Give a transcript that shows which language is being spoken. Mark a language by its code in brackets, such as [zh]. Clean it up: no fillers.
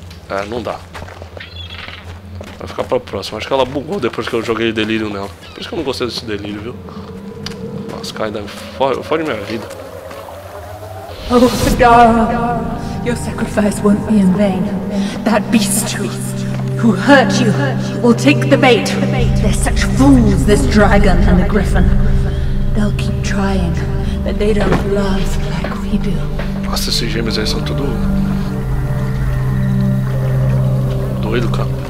[pt] É, não dá. Vai ficar pra próxima. Acho que ela bugou depois que eu joguei delírio nela. Por isso que eu não gostei desse delírio, viu? Nossa, cara, ainda fode minha vida. [en] Oh, Sagara, your sacrifice won't be in vain. That beast who hurt you will take the bait. They're such fools, this dragon and the griffin. They'll keep trying, but they don't love. [pt] Nossa, esses gêmeos aí são tudo doido, cara.